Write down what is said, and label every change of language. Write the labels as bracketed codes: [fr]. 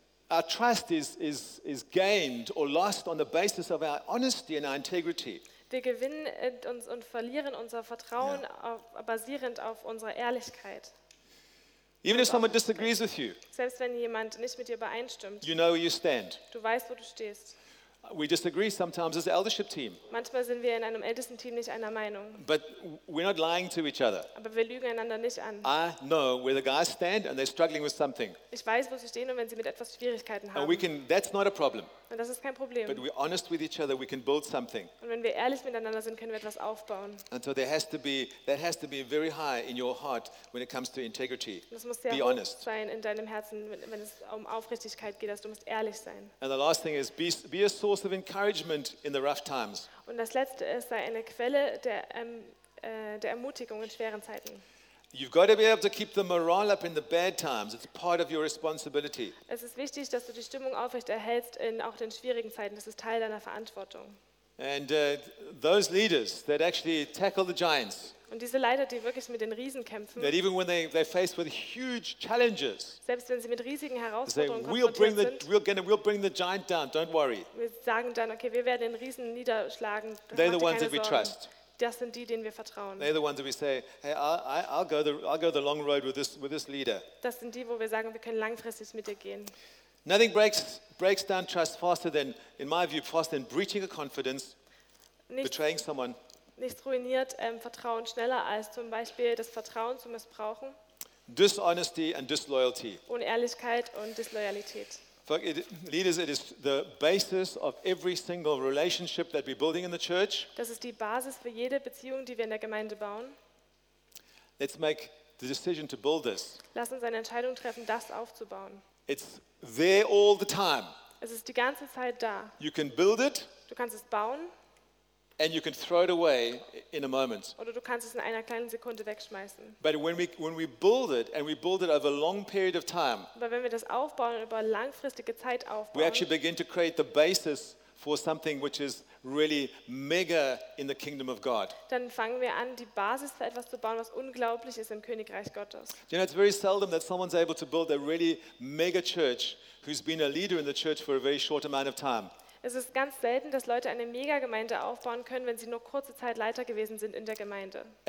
[en] Our trust is gained or lost on the basis of our honesty and our integrity. [de] Wir gewinnen uns und verlieren unser Vertrauen basierend auf unserer Ehrlichkeit. [en] Even if someone disagrees with you, [de] selbst wenn jemand nicht mit dir übereinstimmt, [en] you know where you stand. [de] Du weißt, wo du stehst. [en] We disagree sometimes as an eldership team. [de] Manchmal sind wir in einem Ältestenteam nicht einer Meinung. [en] But we're not lying to each other. [de] Aber wir lügen einander nicht an. [en] I know where the guys stand and they're struggling with something. [de] Ich weiß, wo sie stehen und wenn sie mit etwas Schwierigkeiten haben. [en] And we can, that's not a problem. [de] Und das ist kein Problem. [en] But we're honest with each other, we can build something. [de] Und wenn wir ehrlich miteinander sind, können wir etwas aufbauen. [en] And so that has to be very high in your heart when it comes to integrity. [de] Das muss sehr be hoch honest. Sein in deinem Herzen, wenn es um Aufrichtigkeit geht, dass du musst ehrlich sein. [en] And the last thing is be a source of encouragement in the rough times. [de] Und das letzte ist, sei eine Quelle der Ermutigung in schweren Zeiten. [en] You've got to be able to keep the morale up in the bad times. It's part of your responsibility. [de] Es ist wichtig, dass du die Stimmung aufrecht erhältst in auch den schwierigen Zeiten. Das ist Teil deiner Verantwortung. [en] And those leaders that actually tackle the giants. [de] Und diese Leiter, die wirklich mit den Riesen kämpfen. [en] That even when they're faced with huge challenges. [de] Selbst wenn sie mit riesigen Herausforderungen konfrontiert sind. [en] We'll bring the giant down. Don't worry. [de] Wir sagen dann, okay, wir werden den Riesen niederschlagen. [en] They're the ones that we trust. [de] Das sind die, denen wir vertrauen. [en] They're the ones that we say, hey, I'll go the long road with this leader. [de] Das sind die, wo wir sagen, wir können langfristig mit dir gehen. [en] Nothing breaks down trust faster than, in my view, faster than breaching a confidence, betraying someone. [de] Nichts ruiniert Vertrauen schneller als zum Beispiel das Vertrauen zu missbrauchen. [en] Dishonesty and disloyalty. [de] Unehrlichkeit und Disloyalität. [en] Leaders, it is the basis of every single relationship that we're building in the church. [de] Das ist die Basis für jede Beziehung, die wir in der Gemeinde bauen. [en] Let's make the decision to build this. [de] Lass uns eine Entscheidung treffen, das aufzubauen. [en] It's there all the time. [de] Es ist die ganze Zeit da. [en] You can build it. [de] Du kannst es bauen. [en] And you can throw it away in a moment. [de] Oder du kannst es in einer kleinen Sekunde wegschmeißen. [en] But when we build it and we build it over a long period of time. [de] Aber wenn wir das aufbauen über langfristige Zeit aufbauen. [en] We actually begin to create the basis for something which is really mega in the kingdom of God. [de] Dann fangen wir an, die Basis für etwas zu bauen, was unglaublich ist im Königreich Gottes. [en] You know, it's very seldom that someone's able to build a really mega church who's been a leader in the church for a very short amount of time. [de] Es ist ganz selten, dass Leute eine Megagemeinde aufbauen können, wenn sie nur kurze Zeit Leiter gewesen sind in der Gemeinde.